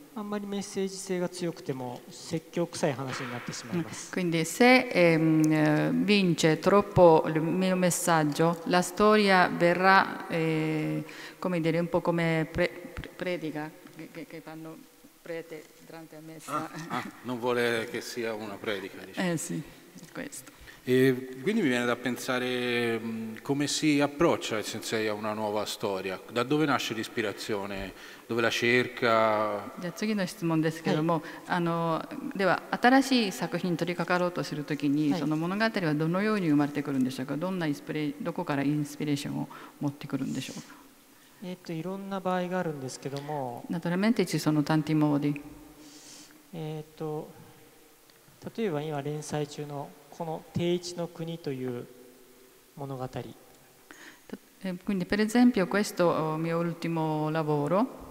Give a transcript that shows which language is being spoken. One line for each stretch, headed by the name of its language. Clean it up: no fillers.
Japanese: あんまりメッセージ性が強くても説教臭い話になってしまいます。
Italian: Quindi se vince troppo il mio messaggio, la storia verrà, come dire, un po' come predica, che fanno prete durante la messa. Non vuole che sia una predica, diciamo. Sì, questo. E quindi mi viene da pensare come si approccia il sensei a una nuova storia, da dove nasce l'ispirazione, dove la cerca?
Japanese: じゃあ次の質問ですけども、では新しい作品取り掛かろうとするときに、その物語はどのように生まれてくるんでしょうか、どんなインスピレ、どこからインスピレーションを持ってくるんでしょうか。いろんな場合があるんですけども、
Italian: naturalmente ci sono tanti modi。
Japanese: 例えば今連載中のこの定一の国という物語。
Italian: Quindi, per esempio, questo mio ultimo lavoro。